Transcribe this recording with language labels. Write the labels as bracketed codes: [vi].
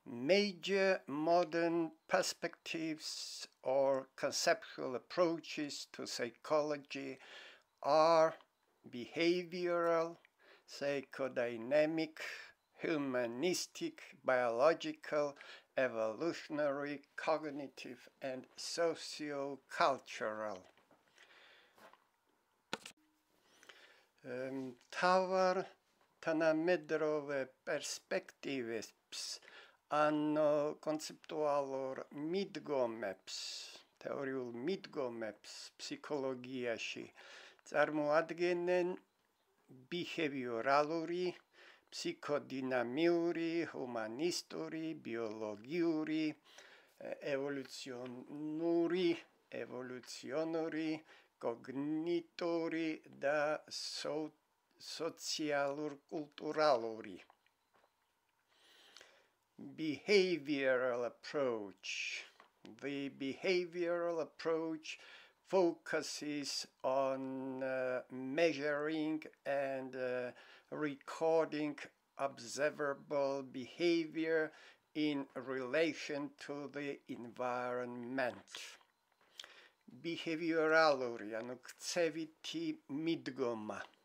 [en] Major modern perspectives or conceptual approaches to psychology are behavioral, psychodynamic, humanistic, biological, evolutionary, cognitive, and socio-cultural. [ka] Თავარ თანამედროვე პერსპექტივებს ან კონცეპტუალურ მიდგომებს, თეორიულ მიდგომებს ფსიქოლოგიაში წარმოადგენენ ბიჰევიორალური, ფსიქოდინამიური, ჰუმანისტური, ბიოლოგიური, ევოლუციონური, კოგნიტური და სოციალურ-კულტურალური. [en] Behavioral approach. The behavioral approach focuses on measuring and recording observable behavior in relation to the environment. [ka] Behavioraluri, ანუ ქცევითი მიდგომა.